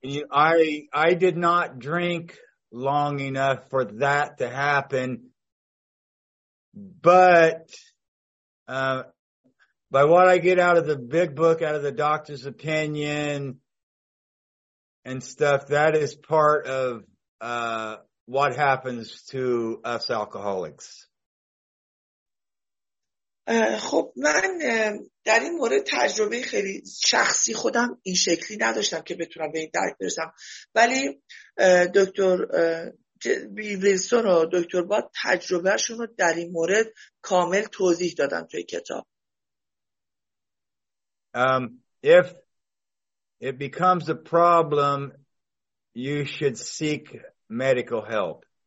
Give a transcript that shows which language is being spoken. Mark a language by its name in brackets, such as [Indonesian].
[English] I did not drink long enough for that to happen, but by what I get out of the big book, out of the doctor's opinion and stuff, that is part of what happens to us alcoholics. [Persian] خب من در این مورد تجربه خیلی شخصی خودم این شکلی نداشتم که بتونم به این درک برسم، ولی دکتر ویلسون و دکتر باد تجربهشون رو در این مورد کامل توضیح دادن توی کتاب. [English] If it becomes a problem, you should seek medical help.